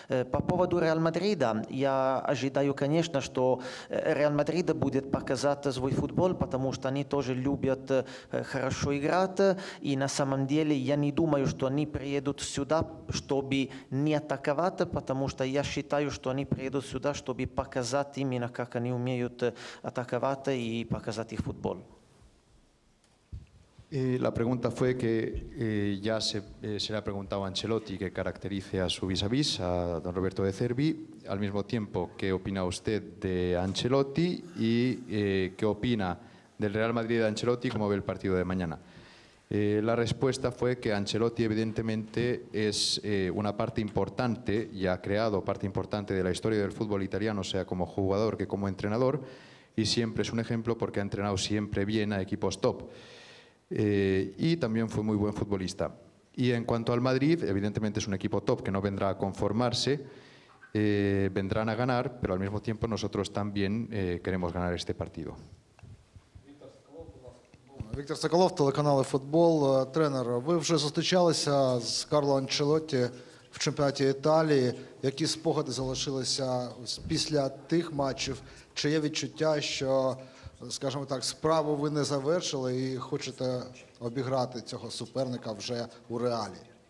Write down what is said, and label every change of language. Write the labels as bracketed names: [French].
[Russian] Pa povodu Real Madrida, ja ažidaju kanje конечно, что Реал Мадрид будет показать свой футбол, потому что они тоже любят хорошо играть. И на самом деле я не думаю, что они приедут сюда, чтобы не атаковать, потому что я считаю, что они приедут сюда, чтобы показать именно, как они умеют атаковать и показать их футбол. [Spanish] La pregunta fue que ya se le ha preguntado a Ancelotti que caracterice a su vis-a-vis, a don Roberto De Zerbi, al mismo tiempo qué opina usted de Ancelotti y qué opina del Real Madrid de Ancelotti, cómo ve el partido de mañana. La respuesta fue que Ancelotti evidentemente es una parte importante y ha creado parte importante de la historia del fútbol italiano, sea como jugador que como entrenador, y siempre es un ejemplo porque ha entrenado siempre bien a equipos top. Y también fue muy buen futbolista. Y en cuanto al Madrid, evidentemente es un equipo top que no vendrá a conformarse, vendrán a ganar, pero al mismo tiempo nosotros también queremos ganar este partido. [Russian] Виктор Соколов, телеканал Футбол. [Ukrainian] Тренер, ви вже зустрічалися з Карло Анчелотті в чемпіонаті Італії. Які спогади залишилися після тих матчів? Чи є відчуття, що, скажімо так, справу ви не завершили і хочете обіграти цього суперника вже у Реалі?